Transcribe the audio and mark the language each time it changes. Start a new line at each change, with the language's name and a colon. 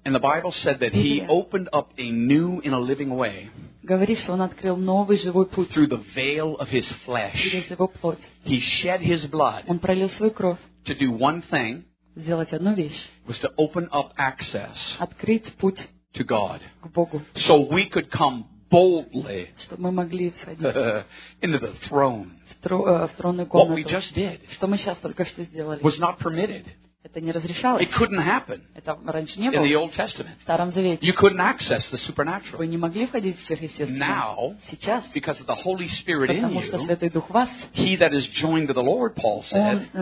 English: And the Bible said that he opened up a new and a living way.
Russian: Говорит, что он открыл новый живой путь.
English: Through the veil of his flesh.
Russian: Через его плоть.
English: He shed his blood.
Russian: Он пролил свою кровь.
English: To do one thing.
Russian: Сделать одну вещь.
English: Was to open up access.
Russian: Открыть путь.
English: To God.
Russian: К Богу.
English: So we could come. Boldly,
Russian: чтобы мы могли входить
English: into the throne.
Russian: В тронную комнату.
English: What we just did,
Russian: что мы сейчас только что сделали,
English: was not permitted.
Russian: Это не разрешалось.
English: It couldn't happen.
Russian: Это раньше не было.
English: In the Old Testament,
Russian: в Старом Завете.
English: You couldn't access the supernatural.
Russian: Вы не могли входить в сверхъестественное.
English: Now,
Russian: сейчас,
English: because of the Holy Spirit in you,
Russian: потому что Святой Дух вас,
English: he that is joined to the Lord, Paul said,